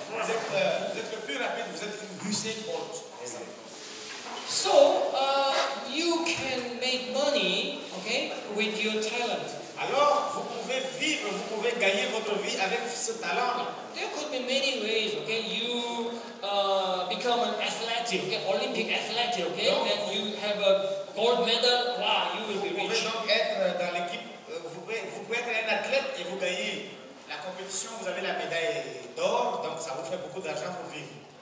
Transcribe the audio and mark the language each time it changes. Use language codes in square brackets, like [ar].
[fr] Vous êtes le plus rapide, vous êtes une Usain Bolt, par exemple. [en] So, you can make money, okay, with your talent. [fr] Alors, vous pouvez vivre, vous pouvez gagner votre vie avec ce talent. [en] There could be many ways, okay, you become an athlete, okay, Olympic athlete, okay, [fr] donc, [en] and you have a gold medal, wow, you will be rich. [fr] Vous pouvez donc être dans l'équipe, vous pouvez être un athlète et vous gagnez la compétition, vous avez la médaille d'or, donc ça vous fait beaucoup d'argent pour vivre.